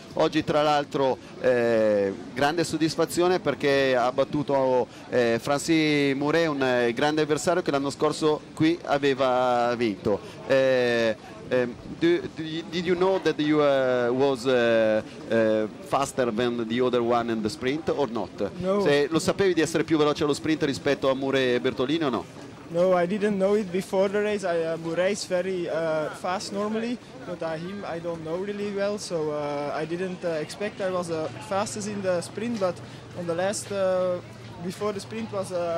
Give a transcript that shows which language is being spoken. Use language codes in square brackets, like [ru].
[it] Oggi tra l'altro grande soddisfazione perché ha battuto Francis Mouret, un grande avversario che l'anno scorso qui aveva vinto. [en] Did you know that you was faster than the other one in the sprint or not? No. [it] Lo sapevi di essere più veloce allo sprint rispetto a Mouret e Bertolini o no? [en] No, I didn't know it before the race. Mouret is very fast normally, but him I don't know really well, so I didn't expect I was fastest in the sprint, but on the last before the sprint was